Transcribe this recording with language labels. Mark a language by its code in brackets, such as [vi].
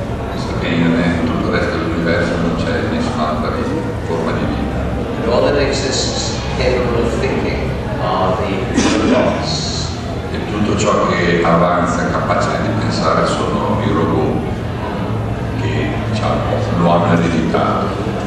[it] Questo che in tutto il resto dell'universo non c'è nessun'altra forma di vita. [en] And all that exists capable of thinking are the robots. [it] E tutto ciò che avanza capace di pensare sono i robot che diciamo, lo hanno ereditato.